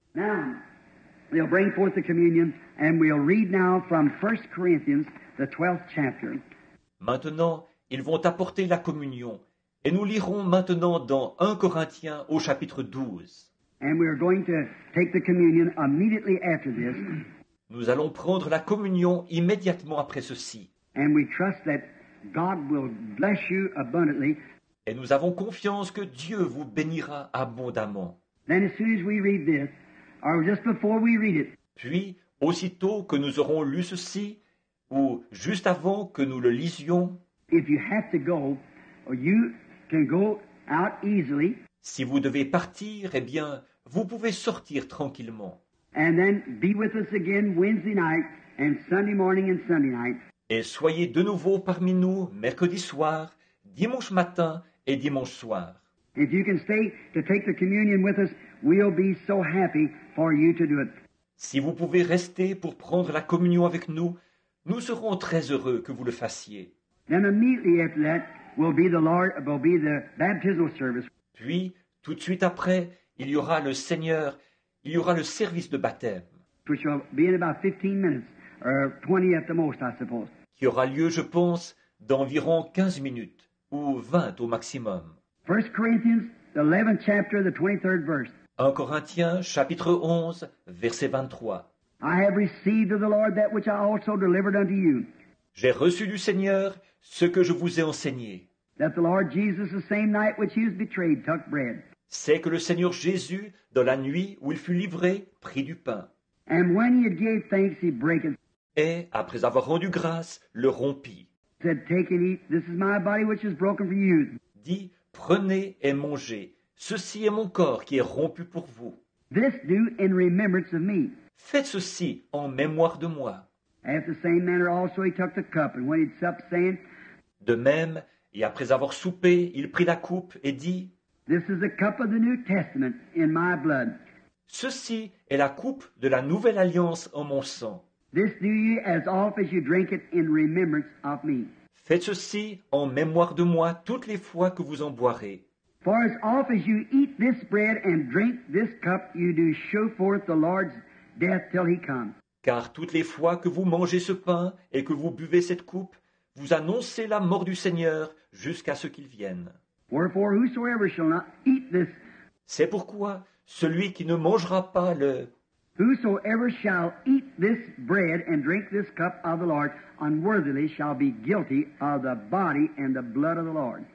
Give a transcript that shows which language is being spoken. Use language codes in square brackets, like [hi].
[en] Now, we'll bring forth the communion and we'll read now from 1 Corinthians, the 12th chapter. [fr] Maintenant, ils vont apporter la communion et nous lirons maintenant dans 1 Corinthiens au chapitre 12. [en] And we're going to take the communion immediately after this. [fr] Nous allons prendre la communion immédiatement après ceci. [en] And we trust that God will bless you abundantly. [fr] Et nous avons confiance que Dieu vous bénira abondamment. [en] Then as soon as we read this, or just before we read it. [fr] Puis, aussitôt que nous aurons lu ceci, ou juste avant que nous le lisions, [en] if you have to go, you can go out easily. [fr] Si vous devez partir, eh bien, vous pouvez sortir tranquillement. [en] And then be with us again Wednesday night and Sunday morning and Sunday night. [fr] Et soyez de nouveau parmi nous mercredi soir, dimanche matin et dimanche soir. [en] If you can stay to take the communion with us, we'll be so happy for you to do it. [fr] Si vous pouvez rester pour prendre la communion avec nous, nous serons très heureux que vous le fassiez. [en] Then immediately after that will be the Lord, will be the baptismal service. [fr] Puis, tout de suite après, il y aura le Seigneur, il y aura le service de baptême. [en] Which will be in about 15 minutes, or 20 at the most, I suppose. [fr] Qui aura lieu, je pense, d'environ 15 minutes, ou 20 au maximum. [en] 1 Corinthians, the 11th chapter, the 23rd verse. [fr] 1 Corinthiens, chapitre 11, verset 23. [en] I have received of the Lord that which I also delivered unto you. [fr] J'ai reçu du Seigneur ce que je vous ai enseigné. [en] That the Lord Jesus, the same night which he was betrayed, took bread. [fr] C'est que le Seigneur Jésus, dans la nuit où il fut livré, prit du pain. [en] And when he had gave thanks, he broke it. [fr] Et, après avoir rendu grâce, le rompit. [en] Said, take and eat, this is my body which is broken for you. [fr] Dit, prenez et mangez, ceci est mon corps qui est rompu pour vous. [en] This do in remembrance of me. [fr] Faites ceci en mémoire de moi. [en] After the same manner also he took the cup, and when he had supped, saying, [fr] de même, et après avoir soupé, il prit la coupe et dit, [en] this is the cup of the New Testament in my blood. [fr] Ceci est la coupe de la nouvelle alliance en mon sang. [en] This do ye as often as you drink it in remembrance of me. [fr] Faites ceci en mémoire de moi toutes les fois que vous en boirez. [en] For as often as you eat this bread and drink this cup, you do show forth the Lord's death till he come. [fr] Car toutes les fois que vous mangez ce pain et que vous buvez cette coupe, vous annoncez la mort du Seigneur jusqu'à ce qu'il vienne. [en] Wherefore, whosoever shall not eat this, [fr] c'est pourquoi celui qui ne mangera pas le [en] whosoever shall eat this bread and drink this cup of the Lord unworthily shall be guilty of the body and the blood of the Lord.